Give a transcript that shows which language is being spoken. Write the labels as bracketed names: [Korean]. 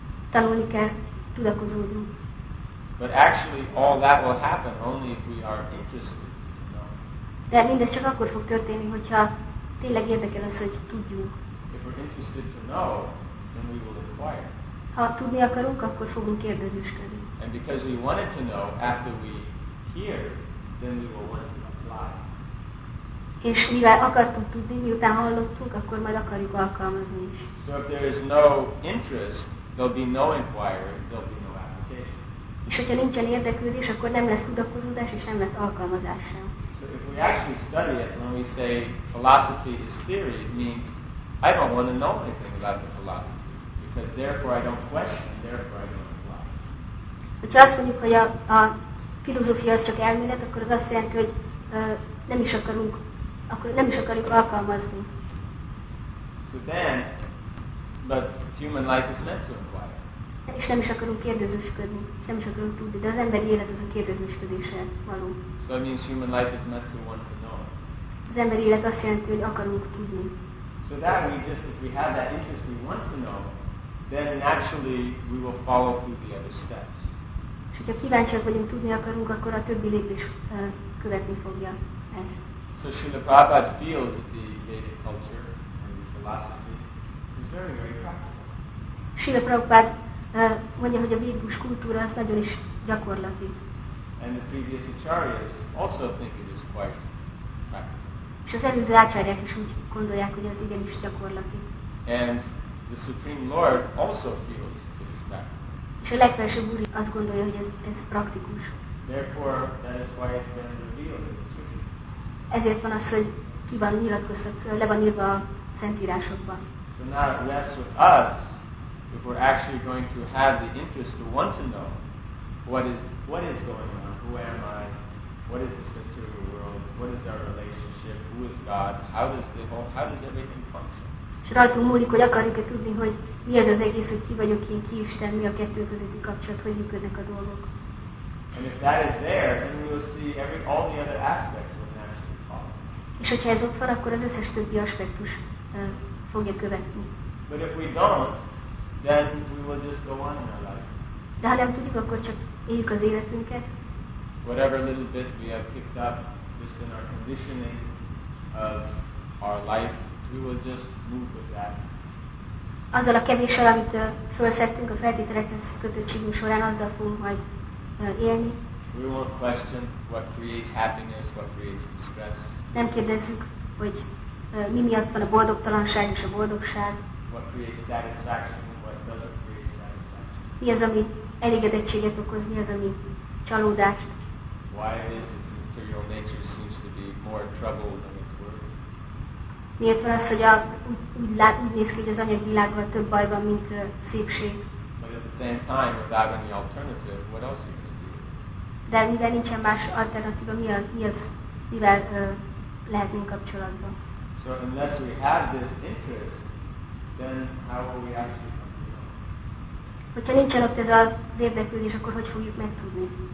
[Hungarian] Tanulni kell, tudakozódni. [English] But actually all that will happen only if we are interested in knowing. [Hungarian] De mindez csak akkor fog történni, hogyha tényleg érdekel az, hogy tudjunk. [English] If we're interested to know, then we will inquire. [Hungarian] Ha tudni akarunk, akkor fogunk kérdezősködni. [English] And because we wanted to know after we hear, then we will want to apply. [Hungarian] És mivel akartunk tudni, miután hallottunk, akkor majd akarjuk alkalmazni is. [English] So if there is no interest, there'll be no inquiry, there'll be no application. [Hungarian] És hogyha nincsen érdeklődés, akkor nem lesz tudakozódás és nem lesz alkalmazás sem. [English] So if we actually study it, when we say philosophy is theory, it means I don't want to know anything about the philosophy, because therefore I don't question, therefore I don't apply. [Hungarian] Hogyha azt mondjuk, hogy a filozófia az csak elmélet, akkor az azt jelenti, hogy nem is akarunk, akkor nem is akarjuk alkalmazni. [English] So then, but human life is meant to inquire. [Hungarian] És nem is akarunk kérdezősködni, nem is akarunk tudni, de az emberi élet az a kérdezősködésre való. [English] So that means human life is meant to want to know. [Hungarian] Az emberi élet azt jelenti, hogy akarunk tudni. [English] So that we just, if we have that interest, we want to know, then naturally we will follow through the other steps. [Hungarian] És hogyha kíváncsiak vagyunk, tudni akarunk, akkor a többi lépés követni fogja ez. [English] So Srila Prabhupada feels that the Vedic culture and the philosophy is very, very practical. [Hungarian] Srila Prabhupada mondja, hogy a védikus kultúra az nagyon is gyakorlati. [English] And the previous acharyas also think it is quite practical. [Hungarian] És az előző acharyák is úgy gondolják, hogy ez igenis gyakorlati. [English] And the Supreme Lord also feels it is practical. [Hungarian] És a legfelsőbb úr azt gondolja, hogy ez praktikus. [English] Therefore, that is why it's been revealed. [Hungarian] Ezért van az, hogy ki van nyilatkoztatva, le van írva a szentírásokban. [English] So now it rests with us, if we're actually going to have the interest to want to know what is going on, who am I, what is the center of the world, what is our relationship, who is God, how does everything function. [Hungarian] És rajtunk múlik, hogy akarjuk-e tudni, hogy mi ez az egész, hogy ki vagyok én, ki Isten, mi a kettő közötti kapcsolat, hogy működnek a dolgok. [English] And if that is there, then we will see all the other aspects. [Hungarian] És hogyha ez ott van, akkor az összes többi aspektus fogja követni. [English] But if we don't, then we will just go on in our life. [Hungarian] De ha nem tudjuk, akkor csak éljük az életünket. [English] Whatever little bit we have picked up just in our conditioning of our life, we will just move with that. [Hungarian] Azzal a kevéssel, amit felszettünk a feltételekhez kötöttségünk során, azzal fogunk majd élni. [English] We won't question what creates happiness, what creates stress. [Hungarian] Nem kérdezzük, hogy mi miatt van a boldogtalanság és a boldogság. [English] What creates satisfaction, what doesn't create satisfaction. [Hungarian] Mi az, ami elégedettséget okoz, mi az, ami csalódást. [English] Why is it that material nature seems to be more trouble than it's worth? [Hungarian] Miért van az, hogy úgy néz ki, hogy az anyagi világban több baj van, mint szépség. [English] But at the same time, without any alternative, what else are you going to do? [Hungarian] De mivel nincsen más alternatíva, mi az? Mivel lehetnénk kapcsolatban. [English] So unless we have this interest, then how will we actually come to know? [Hungarian] Hogyha nincsen ott ez az érdeklődés, akkor hogy fogjuk megtudni?